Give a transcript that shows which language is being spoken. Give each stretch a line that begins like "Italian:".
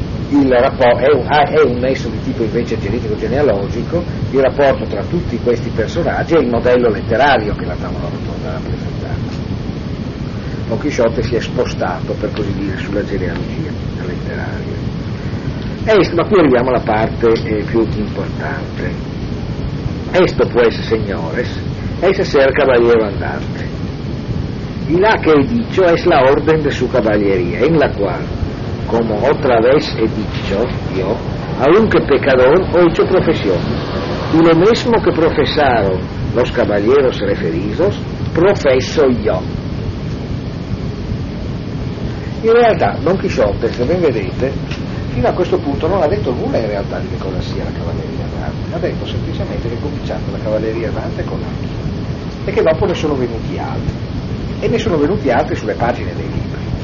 Italian: È un nesso di tipo invece genetico genealogico, il rapporto tra tutti questi personaggi e il modello letterario che la tavola rotonda rappresentava. Don Chisciotte si è spostato, per così dire, sulla genealogia letteraria. Ma qui arriviamo alla parte più importante.
Spanish: Esto pues, señores, es ser caballero andante. Y la que he dicho es la orden de su caballería, en la cual, como otra vez he dicho, yo, aunque pecador, he hecho profesión. Y lo mismo que profesaron los caballeros referidos, profeso yo.
Italian: In realtà, Don Chisciotte, se ben vedete, fino a questo punto non ha detto nulla in realtà di che cosa sia la cavalleria d'arte. Ha detto semplicemente che è cominciata la cavalleria d'arte con altri e che dopo ne sono venuti altri. E ne sono venuti altri sulle pagine dei libri.